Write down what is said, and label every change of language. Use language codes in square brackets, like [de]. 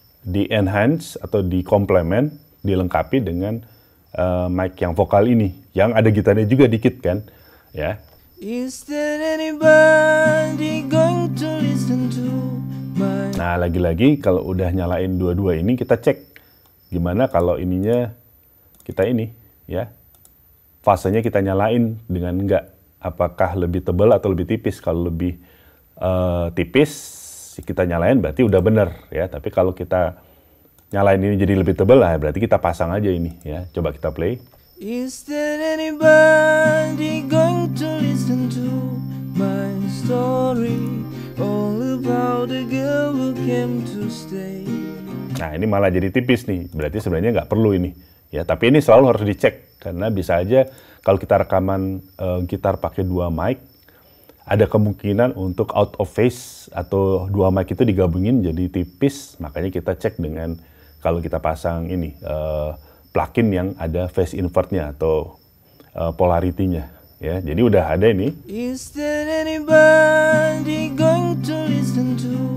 [id] Di enhance atau di komplement, dilengkapi dengan mic yang vokal ini, yang ada gitarnya juga dikit kan, ya. [en] Is there anybody going to listen to my... [id] Nah, lagi-lagi kalau udah nyalain dua-dua ini, kita cek gimana kalau ininya kita ini, ya. Fasenya kita nyalain dengan enggak, apakah lebih tebal atau lebih tipis. Kalau lebih tipis, kita nyalain berarti udah benar ya, tapi kalau kita nyalain ini jadi lebih tebal lah, berarti kita pasang aja ini ya. Coba kita play. [en] Is there anybody going to listen to my story all about the girl who came to stay? [id] Nah, ini malah jadi tipis nih, berarti sebenarnya nggak perlu ini ya, tapi ini selalu harus dicek karena bisa aja kalau kita rekaman gitar pakai dua mic, ada kemungkinan untuk [en] out of phase [id] atau dua mic itu digabungin jadi tipis. Makanya kita cek dengan kalau kita pasang ini plugin yang ada phase invertnya atau polaritinya ya. Jadi udah ada ini. [en] Is there anybody going to listen to?